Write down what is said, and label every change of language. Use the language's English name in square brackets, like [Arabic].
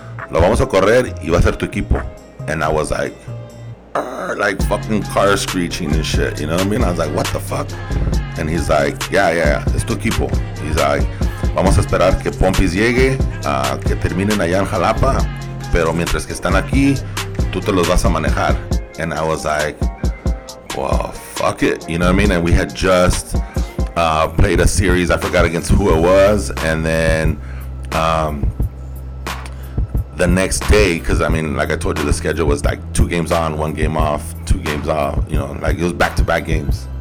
[Spanish] Lo vamos a correr y va a ser tu equipo. [English] And I was like, like fucking car screeching and shit. You know what I mean? I was like, what the fuck? And he's like, yeah, [Spanish] es tu equipo. [English] He's like, [Spanish] vamos a esperar que Pompis llegue, que terminen allá en Jalapa. Pero mientras que están aquí, tú te los vas a manejar. [English] And I was like, well, fuck it. You know what I mean? And we had just played a series. I forgot against who it was. And then the next day, because I mean, like I told you, the schedule was like two games on, one game off, two games off, you know, like it was back-to-back games.